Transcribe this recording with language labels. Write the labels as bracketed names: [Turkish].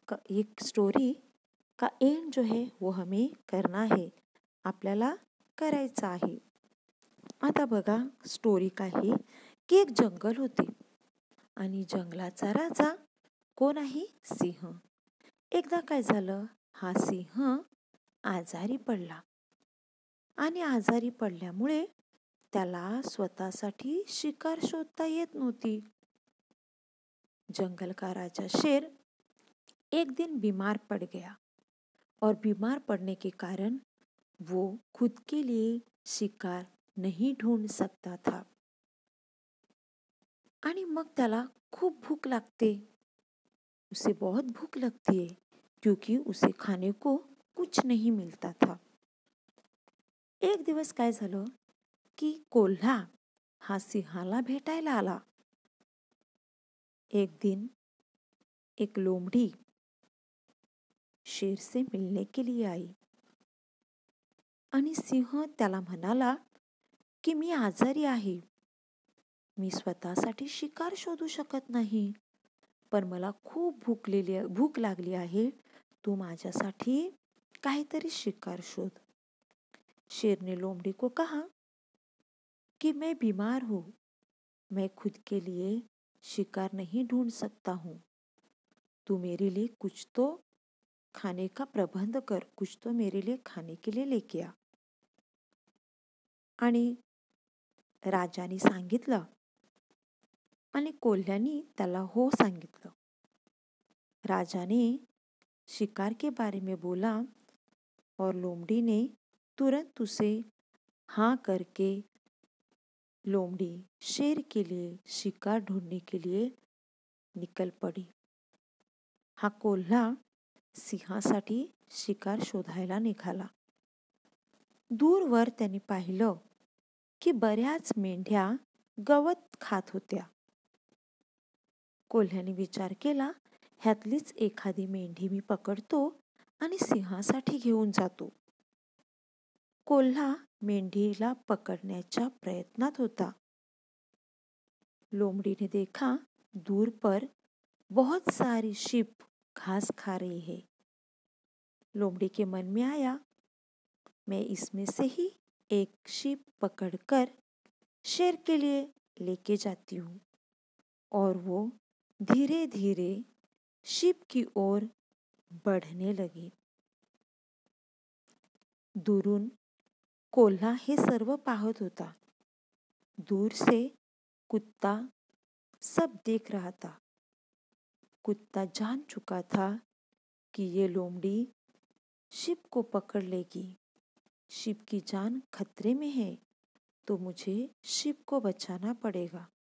[Hindi] एक स्टोरी का एंड जो है वो हमें करना है [Marathi] आपल्याला करायचा आहे। आता बघा स्टोरी का आहे की एक जंगल होते आणि जंगलाचा राजा कोण आहे सिंह। एकदा काय झालं हा सिंह आजारी पडला आणि आजारी पडल्यामुळे त्याला स्वतःसाठी शिकार शोधता येत नव्हती। [Hindi] जंगलका राजा शेर एक दिन बीमार पड गया और बीमार पडणे के कारण वो खुद के लिए शिकार नहीं ढूंढ सकता था। [Marathi] आणि मग त्याला खूप भूक लागते [Hindi] उसे बहुत भूक लगती है क्योंकि उसे खाने को कुछ नहीं मिलता था। [Marathi] एक दिवस काय झालं की कोल्हा हा सिंहाला भेटायला आला। [Hindi] एक दिन एक लोमडी शेर से मिलने के लिए आई [Marathi] आणि सिंह त्याला म्हणाला की मी आजारी आहे मी स्वतःसाठी शिकार शोधू शकत नाही पण मला खूप भूक लागली आहे तू माझ्यासाठी काहीतरी शिकार शोध। [Hindi] शेरने लोमडी को कहा की मैं बीमार हूँ मैं खुद के लिए शिकार नहीं ढूंढ सकता हूँ तू मेरे लिए कुछ तो खाने का प्रबंध कर कुछ तो मेरे लिए खाने के लिए लेके आ। [Marathi] आणि राजाने सांगितलं आणि कोल्ह्याने त्याला हो सांगितलं। [Hindi] राजाने शिकार के बारे में बोला और लोमडी ने तुरंत उसे हाँ करके लोमडी शेर के लिए शिकार ढूंढने के लिए निकल पड़ी। [Marathi] हा कोल्हा सिंहासाठी शिकार शोधायला निघाला। दूरवर त्याने पाहिलं की बऱ्याच मेंढ्या गवत खात होत्या। कोल्ह्याने विचार केला ह्यातलीच एखादी मेंढी मी पकडतो आणि सिंहासाठी घेऊन जातो. कोल्हा मेंढीला पकडण्याच्या प्रयत्नात होता. [Hindi] लोमडीने देखा दूर पर बहुत सारी शिप घास खा रही है. लोमड़ी के मन में आया, मैं इसमें से ही एक शिप पकड़कर शेर के लिए लेके जाती हूँ. और वो धीरे धीरे शिप की ओर बढ़ने लगी. [Marathi] दूरुन कोल्हा हे सर्व पाहत होता. [Hindi] दूर से कुत्ता सब देख रहा था. कुत्ता जान चुका था कि ये लोमड़ी शिप को पकड़ लेगी. शिप की जान खतरे में है तो मुझे शिप को बचाना पड़ेगा.